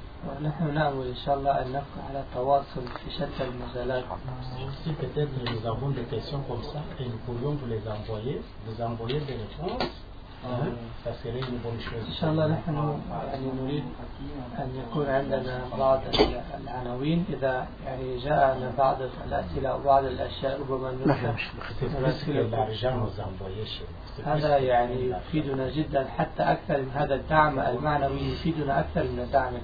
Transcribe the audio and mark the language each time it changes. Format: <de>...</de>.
<ar>ونحن نأمل إن شاء الله أن نبقى على تواصل في شتى المجالات.</ar> <fr>Si peut-être nous avons des questions comme ça et nous pourrions vous les envoyer, des réponses, ça serait une bonne chose.</fr> <ar>إن شاء الله نحن نريد أن يكون عندنا بعض العناوين إذا يعني جاءنا بعض الأسئلة أو بعض الأشياء ربما هذا يعني يفيدنا جدا حتى أكثر من هذا الدعم المعنوي يفيدنا أكثر من الدعم</ar>